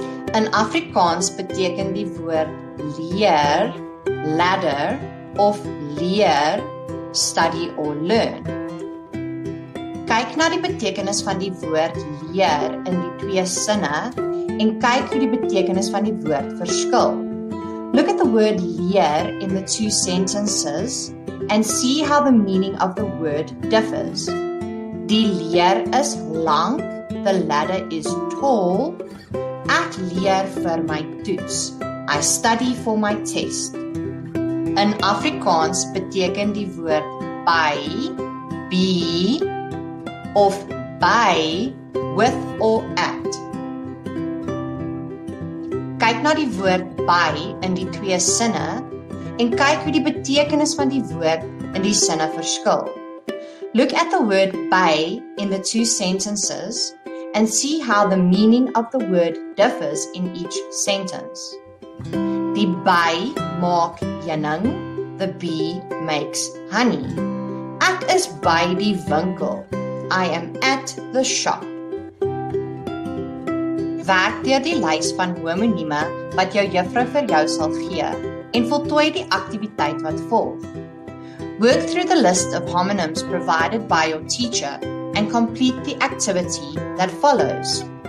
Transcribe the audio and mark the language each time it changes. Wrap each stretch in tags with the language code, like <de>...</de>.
<af>In Afrikaans beteken die woord leer, ladder, of leer,</af> <en>study or learn.</en> <af>Kyk na die betekenis van die woord leer in die twee sinne en kyk hoe die betekenis van die woord verskil.</af> <en>Look at the word leer in the two sentences and see how the meaning of the word differs.</en> <af>Die leer is lank,</af> <en>the ladder is tall.</en> <af>Ek leer vir my toets.</af> <en>I study for my test.</en> <af>In Afrikaans beteken die woord by, be, of by,</af> <en>with or at.</en> <af>Kyk na die woord by in die twee sinne en kyk hoe die betekenis van die woord in die sinne verskil.</af> <en>Look at the word by in the two sentences and see how the meaning of the word differs in each sentence.</en> <af>Die by maak jenning,</af> <en>the bee makes honey.</en> <af>Ek is by die winkel,</af> <en>I am at the shop.</en> <af>Werk deur die lys van homonieme wat jou juffrou vir jou sal gee en voltooi die aktiwiteit wat volg.</af> <en>Work through the list of homonyms provided by your teacher and complete the activity that follows.</en>